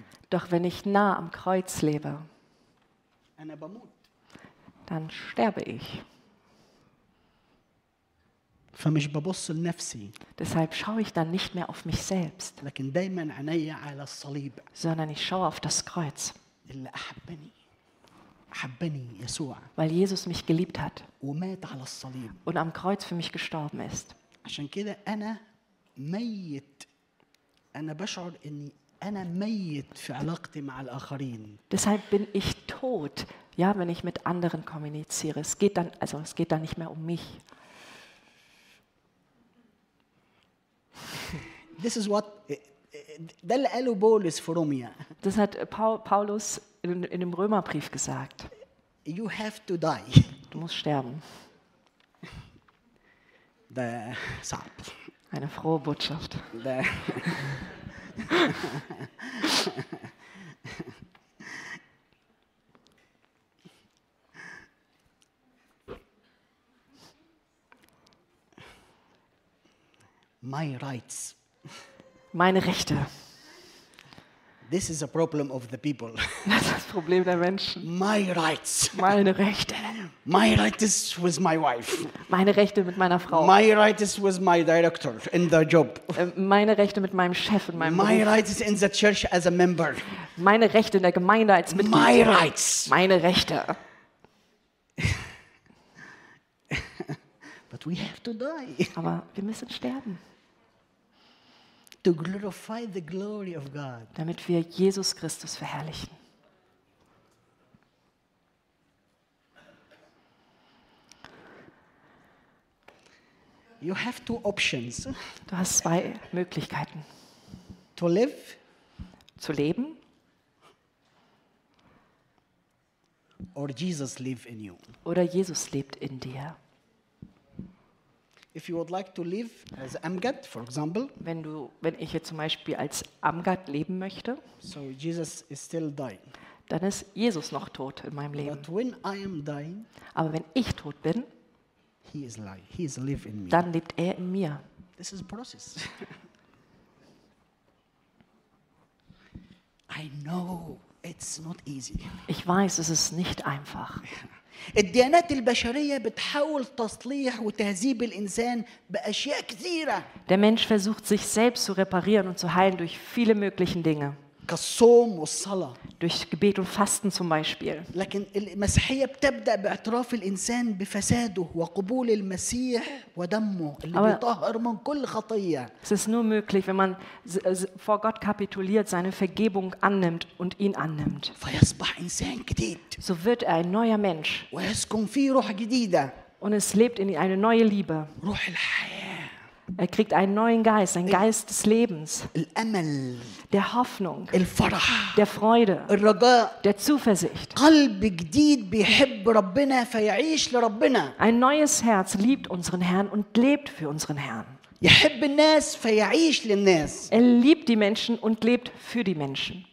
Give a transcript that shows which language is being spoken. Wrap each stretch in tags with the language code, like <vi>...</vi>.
<de>Doch wenn ich nah am Kreuz lebe, dann sterbe ich.</de> <ar>فمش ببص لنفسي.</ar> <de>Deshalb schaue ich dann nicht mehr auf mich selbst.</de> <ar>لكن دائما عيني على الصليب.</ar> <de>Sondern ich schaue auf das Kreuz.</de> <ar>اللي أحبني. أحبني يسوع.</ar> <de>Weil Jesus mich geliebt hat.</de> <ar>ومات على الصليب.</ar> <de>Und am Kreuz für mich gestorben ist.</de> <ar>عشان كده أنا ميت. أنا بشعر إني أنا ميت في علاقتي مع الآخرين.</ar> <de>Deshalb bin ich tot. Ja, wenn ich mit anderen kommuniziere. Es geht dann nicht mehr um mich.</de> <en>This is what</en> <ar>ده اللي قاله بولس في روميا.</ar> <de>Das hat Paulus in dem Römerbrief gesagt.</de> <en>You have to die.</en> <de>Du musst sterben.</de> <ar>Da صعب.</ar> <de>Eine frohe Botschaft.</de> <en>My rights.</en> <de>Meine Rechte.</de> <en>This is a problem of the people.</en> <de>Das ist das Problem der Menschen.</de> <en>My rights.</en> <de>Meine Rechte.</de> <en>My rights with my wife.</en> <de>Meine Rechte mit meiner Frau.</de> <en>My rights with my director in the job.</en> <de>Meine Rechte mit meinem Chef in meinem</de> <en>my</en> <de>Beruf.</de> <en>Rights in the church as a member.</en> <de>Meine Rechte in der Gemeinde als Mitglied.</de> <en>My rights.</en> <de>Meine Rechte.</de> <en>But we have to die.</en> <de>Aber wir müssen sterben.</de> <en>To glorify the glory of God.</en> <de>Damit wir Jesus Christus verherrlichen.</de> <en>You have two options.</en> <de>Du hast zwei Möglichkeiten.</de> <en>To live.</en> <de>Zu leben.</de> <en>Or Jesus lives in you.</en> <de>Oder Jesus lebt in dir.</de> <en>If you would like to live as Amgad, for example,</en> <de>wenn ich jetzt zum Beispiel als Amgad leben möchte,</de> <en>so Jesus is still dying.</en> <de>Dann ist Jesus noch tot in meinem Leben.</de> <en>But when I am dying,</en> <de>aber wenn ich tot bin,</de> <en>he is live in me.</en> <de>Dann lebt er in mir.</de> <en>This is a process. I know it's not easy.</en> <de>Ich weiß, es ist nicht einfach.</de> <ar>الديانات البشرية بتحاول تصليح وتهذيب الإنسان بأشياء كثيرة.</ar> <de>Der Mensch versucht sich selbst zu reparieren und zu heilen durch viele möglichen Dinge.</de> <ar>كالصوم والصلاة.</ar> <de>durch Gebet und Fasten zum Beispiel.</de> <ar>لكن المسيحية بتبدأ باعتراف الإنسان بفساده وقبول المسيح ودمه اللي بيطهر من كل خطية.</ar> <de>Es ist nur möglich, wenn man vor Gott kapituliert, seine Vergebung annimmt und ihn annimmt.</de> <ar>فيصبح إنسان جديد.</ar> <de>So wird er ein neuer Mensch.</de> <ar>ويسكن فيه روح جديدة.</ar> <de>Und es lebt in eine neue Liebe.</de> <ar>روح الحياة.</ar> <de>Er kriegt einen neuen Geist, einen Geist des Lebens,</de> <ar>الأمل,</ar> <de>der Hoffnung,</de> <ar>الفرح,</ar> <de>der Freude,</de> <ar>الرجاء,</ar> <de>der Zuversicht.</de> <ar>قلب جديد بيحب ربنا فيعيش لربنا.</ar> <de>Ein neues Herz liebt unseren Herrn und lebt für unseren Herrn.</de> <ar>يحب الناس فيعيش للناس.</ar> <de>Er liebt die Menschen und lebt für die Menschen.</de>